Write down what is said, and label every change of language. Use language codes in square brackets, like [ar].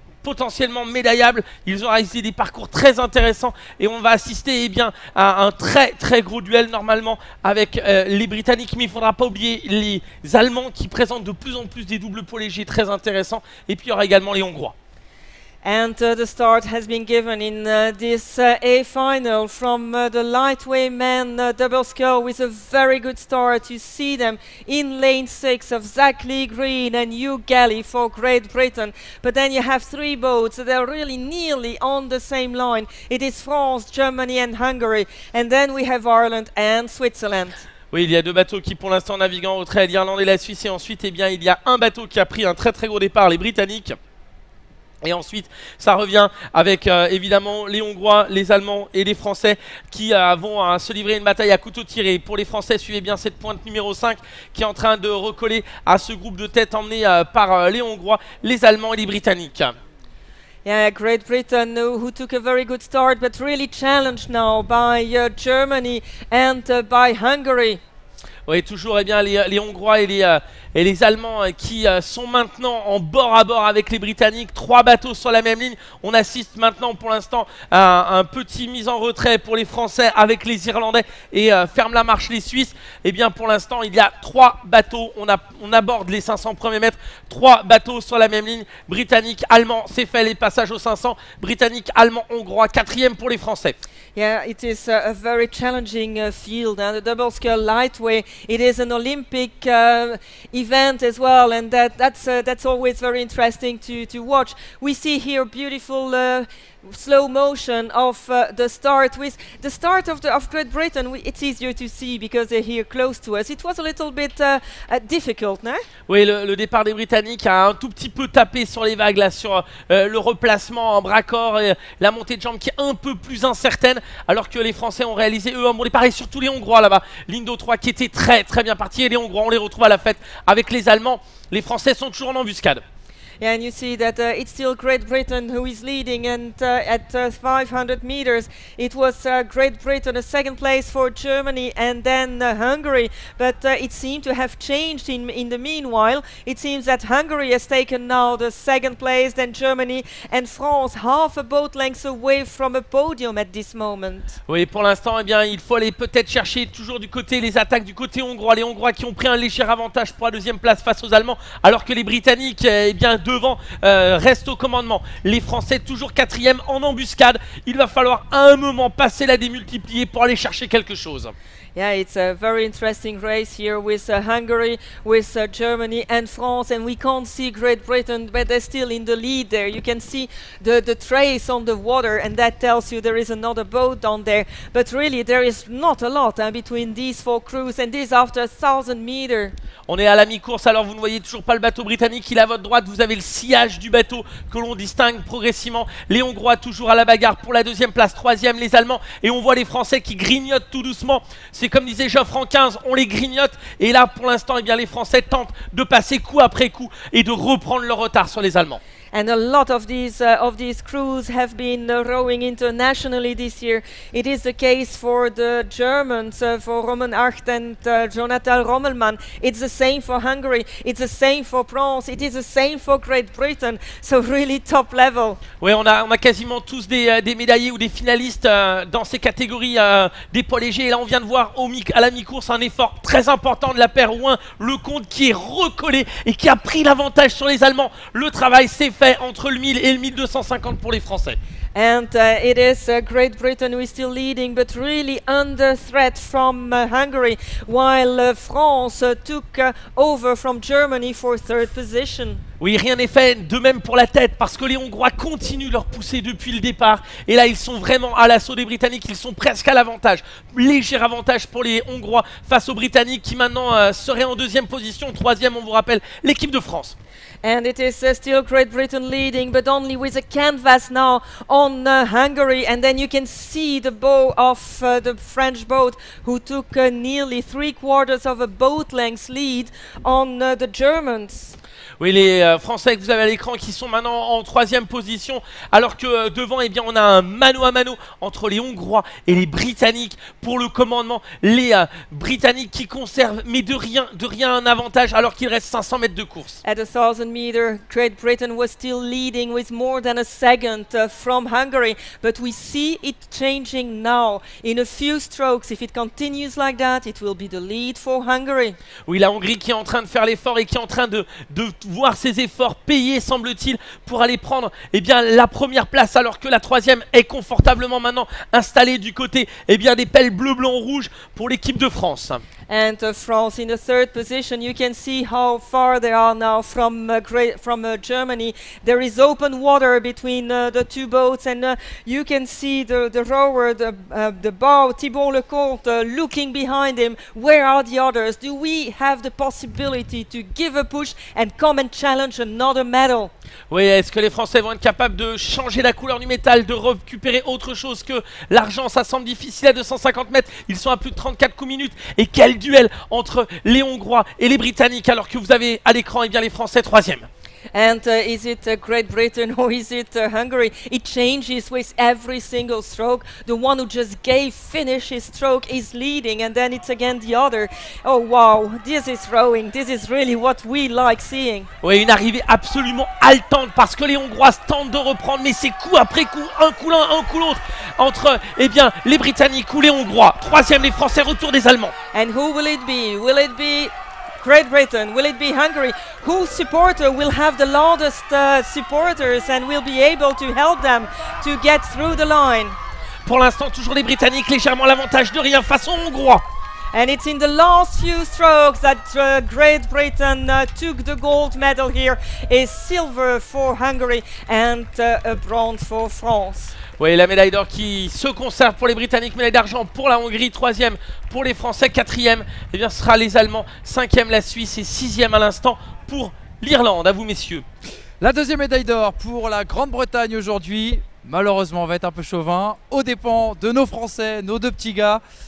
[fr] potentiellement médaillables. Ils ont réalisé des parcours très intéressants et on va assister eh bien, à un très très gros duel normalement avec les Britanniques, mais il ne faudra pas oublier les Allemands qui présentent de plus en plus des doubles poids légers très intéressants, et puis il y aura également les Hongrois. [en] And the start has been given in this A final from the lightweight men double scull with a very good start. You see them in lane 6 of Zach Lee Green and Hugh Galley for Great Britain. But then you have three boats, so they're really nearly on the same line. It is France, Germany and Hungary. And then we have Ireland and Switzerland. [fr] Oui, il y a deux bateaux qui pour l'instant naviguent en retrait, l'Irlande et la Suisse. Et ensuite, eh bien, il y a un bateau qui a pris un très très gros départ, les Britanniques. Et ensuite, ça revient avec évidemment les Hongrois, les Allemands et les Français qui vont se livrer une bataille à couteau tiré. Pour les Français, suivez bien cette pointe numéro 5 qui est en train de recoller à ce groupe de tête emmené par les Hongrois, les Allemands et les Britanniques. [en] Yeah, Great Britain, who took a very good start, but really challenged now by Germany and by Hungary. [fr] Oui, toujours eh bien, les Hongrois et les Allemands qui sont maintenant en bord à bord avec les Britanniques. Trois bateaux sur la même ligne. On assiste maintenant pour l'instant à un petit mise en retrait pour les Français avec les Irlandais et ferme la marche les Suisses. Eh bien, pour l'instant, il y a trois bateaux. On aborde les 500 premiers mètres. Trois bateaux sur la même ligne. Britannique, Allemand, c'est fait, les passages aux 500. Britannique, Allemand, Hongrois, quatrième pour les Français. [en] Yeah, it is a very challenging field. And the double scull lightweight. It is an Olympic event as well, and that's always very interesting to watch. We see here beautiful slow motion of the start with the start of Great Britain. It's easier to see because they're here close to us. It was a little bit difficult, no? [fr] Oui, le départ des Britanniques a un tout petit peu tapé sur les vagues là, sur le replacement en bras corps et la montée de jambes qui est un peu plus incertaine, alors que les Français ont réalisé eux un bon départ, et surtout les Hongrois là-bas, Lindo 3 qui était très très bien parti, et les Hongrois, on les retrouve à la fête avec les Allemands. Les Français sont toujours en embuscade. [en] Yeah, and you see that it's still Great Britain who is leading, and at 500 meters, it was Great Britain, a second place for Germany and then Hungary. But it seemed to have changed in the meanwhile. It seems that Hungary has taken now the second place, then Germany and France, half a boat length away from a podium at this moment. [fr] Oui, pour l'instant, eh bien, il faut aller peut-être chercher toujours du côté les attaques du côté hongrois. Les Hongrois qui ont pris un léger avantage pour la deuxième place face aux Allemands, alors que les Britanniques, eh bien, devant reste au commandement. Les Français toujours quatrième en embuscade. Il va falloir à un moment passer la démultipliée pour aller chercher quelque chose. [en] Yeah, it's a very interesting race here with Hungary, with Germany and France, and we can't see Great Britain, but they're still in the lead there. You can see the trace on the water, and that tells you there is another boat down there. But really, there is not a lot between these four crews, and this after 1,000 meters. [fr] On est à la mi-course, alors vous ne voyez toujours pas le bateau britannique. Il est à votre droite, vous avez le sillage du bateau que l'on distingue progressivement. Les Hongrois toujours à la bagarre pour la deuxième place, troisième les Allemands, et on voit les Français qui grignotent tout doucement. C'est comme disait Geoffrey en 15, on les grignote. Et là, pour l'instant, eh bien, les Français tentent de passer coup après coup et de reprendre leur retard sur les Allemands. [en] And a lot of these crews have been rowing internationally this year. It is the case for the Germans, for Roman Acht and Jonathan Rommelmann. It's the same for Hungary. It's the same for France. It is the same for Great Britain. So really top level. [fr] Oui, on a quasiment tous des médaillés ou des finalistes dans ces catégories des poids légers. Et là, on vient de voir à la mi-course un effort très important de la paire Rouen, Lecomte qui est recollé et qui a pris l'avantage sur les Allemands. Le travail, c'est fait entre le 1000 et le 1250 pour les Français. [en] And it is Great Britain who is still leading, but really under threat from Hungary, while France took over from Germany for third position. [fr] Oui, rien n'est fait, de même pour la tête, parce que les Hongrois continuent leur poussée depuis le départ. Et là, ils sont vraiment à l'assaut des Britanniques, ils sont presque à l'avantage. Léger avantage pour les Hongrois face aux Britanniques, qui maintenant seraient en deuxième position. Troisième, on vous rappelle, l'équipe de France. [en] And it is still Great Britain leading, but only with a canvas now on Hungary. And then you can see the bow of the French boat, who took nearly three quarters of a boat length lead on the Germans. [fr] Oui, les Français que vous avez à l'écran qui sont maintenant en troisième position, alors que devant, eh bien, on a un mano à mano entre les Hongrois et les Britanniques pour le commandement. Les Britanniques qui conservent, mais de rien un avantage, alors qu'il reste 500 mètres de course. [en] At the start 1,000 meter, Great Britain was still leading with more than a second from Hungary. But we see it changing now. In a few strokes, if it continues like that, it will be the lead for Hungary. [fr] Oui, la Hongrie qui est en train de faire l'effort et qui est en train de voir ses efforts payer, semble-t-il, pour aller prendre eh bien, la première place, alors que la troisième est confortablement maintenant installée du côté eh bien, des pelles bleu, blanc, rouge pour l'équipe de France. [en] And France in the third position, you can see how far they are now from Germany. There is open water between the two boats, and you can see the rower, the bow, Thibault Lecomte, looking behind him. Where are the others? Do we have the possibility to give a push and come and challenge another medal? [fr] Oui, est-ce que les Français vont être capables de changer la couleur du métal, de récupérer autre chose que l'argent? Ça semble difficile à 250 mètres. Ils sont à plus de 34 coups minutes. Et quel duel entre les Hongrois et les Britanniques, alors que vous avez à l'écran eh bien, les Français troisième. [en] And is it Great Britain or is it Hungary? It changes with every single stroke. The one who just gave finish his stroke is leading, and then it's again the other. Oh wow, this is rowing. This is really what we like seeing. [fr] Oui, une arrivée absolument haletante parce que les Hongrois tentent de reprendre, mais c'est coup après coup, un coup l'un, un coup l'autre, entre eh bien, les Britanniques ou les Hongrois. Troisième, les Français, retour des Allemands. [en] And who will it be? Will it be Great Britain? Will it be Hungary? Whose supporter will have the loudest supporters and will be able to help them to get through the line? [fr] Pour l'instant, toujours les Britanniques, légèrement à l'avantage, de rien façon Hongrois. [en] And it's in the last few strokes that Great Britain took the gold medal here. A silver for Hungary and a bronze for France. [fr] Oui, la médaille d'or qui se conserve pour les Britanniques, médaille d'argent pour la Hongrie, troisième pour les Français, quatrième, eh bien, ce sera les Allemands, cinquième la Suisse et sixième à l'instant pour l'Irlande. À vous, messieurs. La deuxième médaille d'or pour la Grande-Bretagne aujourd'hui, malheureusement, va être un peu chauvin, aux dépens de nos Français, nos deux petits gars.